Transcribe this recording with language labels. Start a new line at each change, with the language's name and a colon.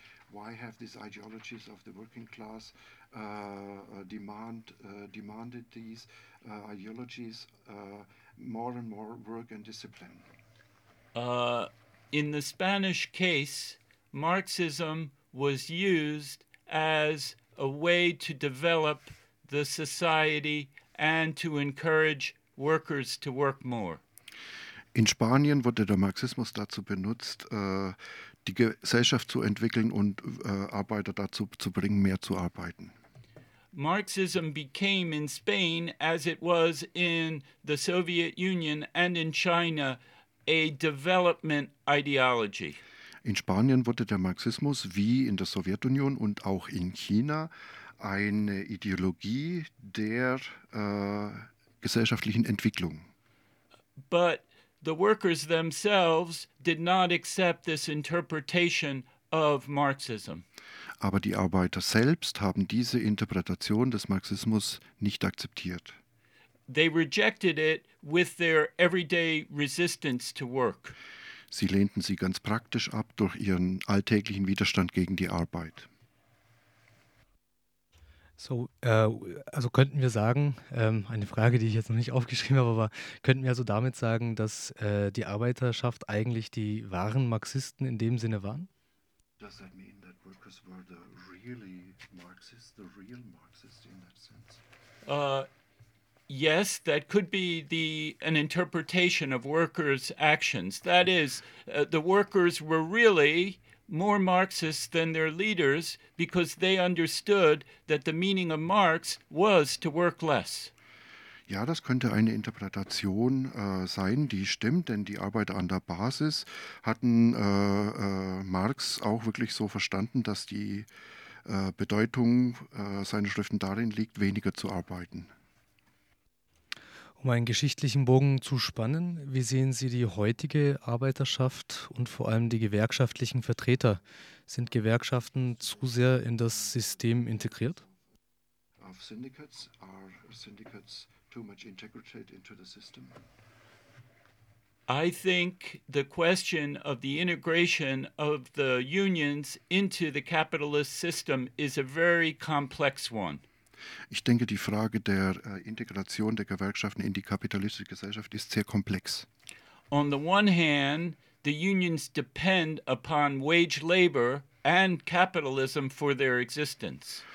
English: Why have these ideologies of the working class demanded these ideologies more and more work and discipline? In the Spanish case, Marxism was used as a way to develop the society and to encourage workers to work more.
German: In Spanien wurde der Marxismus dazu benutzt, die Gesellschaft zu entwickeln und Arbeiter dazu zu bringen, mehr zu arbeiten.
English: Marxism became in Spain, as it was in the Soviet Union and in China, a development ideology.
German: In Spanien wurde der Marxismus, wie in der Sowjetunion und auch in China, eine Ideologie der gesellschaftlichen Entwicklung.
English: But the workers themselves did not accept this interpretation of Marxism.
German: Aber die Arbeiter selbst haben diese Interpretation des Marxismus nicht akzeptiert.
English: They rejected it with their everyday resistance to work.
German: Sie lehnten sie ganz praktisch ab durch ihren alltäglichen Widerstand gegen die Arbeit. So, also könnten wir sagen, eine Frage, die ich jetzt noch nicht aufgeschrieben habe, aber könnten wir also damit sagen, dass die Arbeiterschaft eigentlich die wahren Marxisten in dem Sinne waren?
English: Does that mean that workers were the really Marxists, the real Marxists in that sense? Yes, that could be an interpretation of workers' actions. That is, the workers were really more Marxists than their leaders, because they understood that the meaning of Marx was to work less.
German: Ja, das könnte eine Interpretation sein, die stimmt, denn die Arbeiter an der Basis hatten Marx auch wirklich so verstanden, dass die Bedeutung seiner Schriften darin liegt, weniger zu arbeiten. Um einen geschichtlichen Bogen zu spannen, wie sehen Sie die heutige Arbeiterschaft und vor allem die gewerkschaftlichen Vertreter? Sind Gewerkschaften zu sehr in das System integriert?
English: Of syndicates, are syndicates too much integrated into the system? I think the question of the integration of the unions into the capitalist system is a very complex one.
German: Ich denke, die Frage der Integration der Gewerkschaften in die kapitalistische Gesellschaft ist sehr komplex.
English: On the one hand, the unions depend upon wage labor and capitalism for their existence.